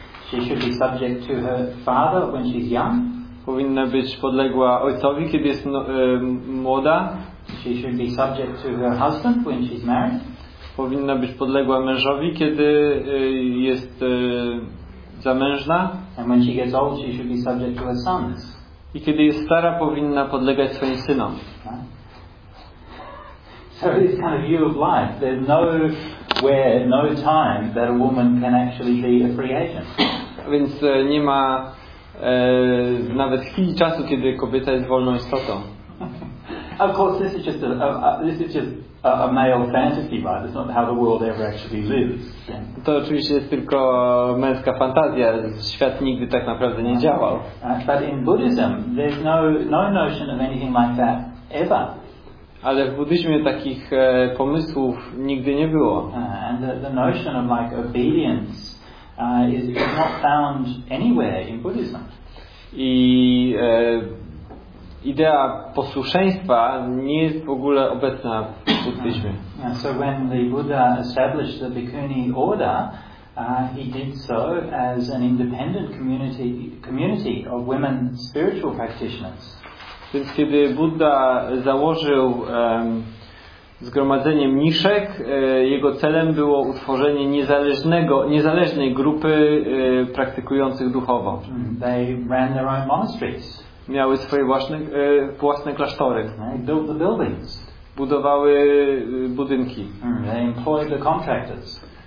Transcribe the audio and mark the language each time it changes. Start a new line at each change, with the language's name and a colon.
English: She should be subject to her father when she's young.
Polish: Powinna być podległa ojcowi, kiedy jest młoda.
English: She should be subject to her husband when she's married.
Polish: Powinna być podległa mężowi, kiedy jest zamężna.
English: And when she gets old, she should be subject to her sons.
Polish: I kiedy jest stara, powinna podlegać swoim synom.
English: So this kind of view of life, there's nowhere, no time that a woman can actually be a free agent.
Polish: Więc nie ma nawet chwili czasu, kiedy kobieta jest wolną istotą.
English: Of course, this is just a male fantasy, right? It's not how the world ever actually lives. Yeah.
Polish: To oczywiście jest tylko męska fantazja. Świat nigdy tak naprawdę nie działał.
English: But in Buddhism, there's no notion of anything like that ever.
Polish: Ale w buddyzmie takich pomysłów nigdy nie było.
English: And the notion of like obedience is not found anywhere in Buddhism.
Polish: I idea posłuszeństwa nie jest w ogóle obecna w buddyzmie.
English: And so when the Buddha established the Bhikkhuni order, he did so as an independent community of women spiritual practitioners.
Polish: Więc kiedy Buddha założył zgromadzenie mniszek, jego celem było utworzenie niezależnej grupy praktykujących duchowo.
English: They ran their own monasteries.
Polish: Miały swoje własne klasztory.
English: They built the buildings.
Polish: Budowały budynki.
English: They employed the contractors.